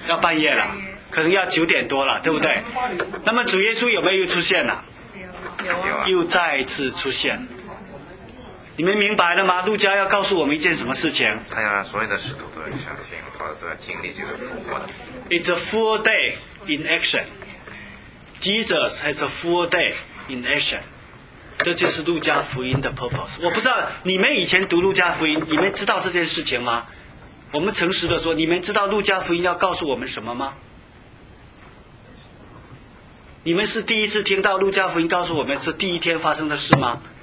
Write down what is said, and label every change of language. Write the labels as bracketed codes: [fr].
[zh] 要半夜了，可能要九点多了，对不对？那么主耶稣有没有出现了？有，又再次出现。你们明白了吗？路加要告诉我们一件什么事情？他要所有的使徒都要相信，都要经历这个复活的。 [en] It's a full day in action. Jesus has a full day in action. [zh] 这就是路加福音的 purpose。我不知道你们以前读路加福音，你们知道这件事情吗？我们诚实的说，你们知道路加福音要告诉我们什么吗？你们是第一次听到路加福音告诉我们是第一天发生的事吗？